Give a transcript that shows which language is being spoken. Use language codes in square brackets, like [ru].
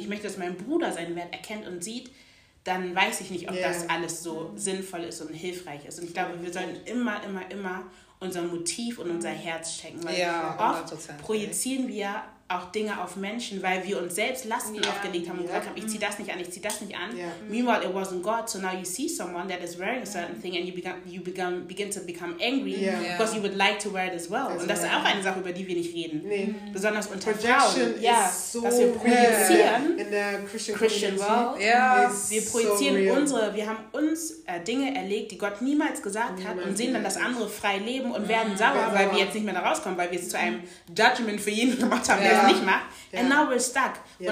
[de] Ich möchte, dass mein Bruder seinen Wert erkennt und sieht. Dann weiß ich nicht, ob das alles so sinnvoll ist und hilfreich ist. Und ich glaube, wir sollten immer, immer, immer unser Motiv und unser Herz checken. Weil oft projizieren wir auch Dinge auf Menschen, weil wir uns selbst Lasten aufgelegt haben und gesagt haben, ich ziehe das nicht an, ich ziehe das nicht an. [en] Meanwhile, it wasn't God. So now you see someone that is wearing a certain thing and you begin to become angry because you would like to wear it as well. [de] Also, und das ist auch eine Sache, über die wir nicht reden. Nee. Besonders unter [en] Projection [de] Frauen. Dass wir projizieren in der Christian [en] world. Yeah. [de] Wir projizieren wir haben uns Dinge erlegt, die Gott niemals gesagt hat und sehen dann, dass andere frei leben und werden sauer, weil wir jetzt nicht mehr da rauskommen, weil wir es zu einem Judgment für jeden gemacht haben. Das nicht macht. [en] And now we're stuck. Yeah.